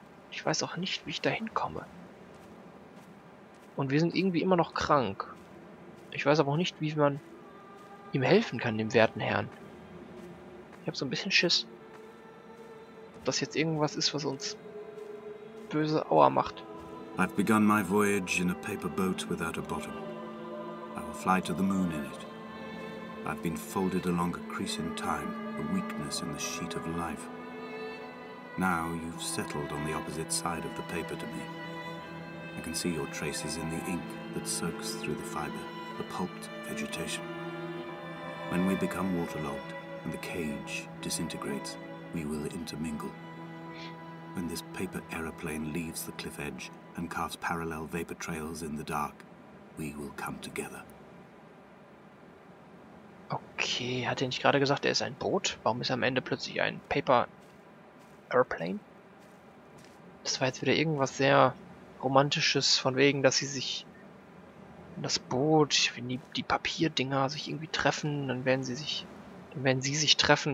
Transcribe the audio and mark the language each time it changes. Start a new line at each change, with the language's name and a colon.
German: Ich weiß auch nicht, wie ich da hinkomme. Und wir sind irgendwie immer noch krank. Ich weiß aber auch nicht, wie man ihm helfen kann, dem werten Herrn. Ich habe so ein bisschen Schiss. Ob das jetzt irgendwas ist, was uns böse Aua macht.
English: I've begun my voyage in a paper boat without a bottom. I will fly to the moon in it. I've been folded along a crease in time, a weakness in the sheet of life. Now you've settled on the opposite side of the paper to me. I can see your traces in the ink that soaks through the fiber, the pulped vegetation. When we become waterlogged and the cage disintegrates, we will intermingle. When this paper aeroplane leaves the cliff edge and carves parallel vapor trails in the dark, we will come together.
German: Okay, hat er nicht gerade gesagt, er ist ein Boot? Warum ist er am Ende plötzlich ein
English: Paper Airplane?
German: Das war jetzt wieder irgendwas sehr Romantisches, von wegen, dass sie sich in das Boot, wenn die Papierdinger sich irgendwie treffen, dann werden sie sich treffen.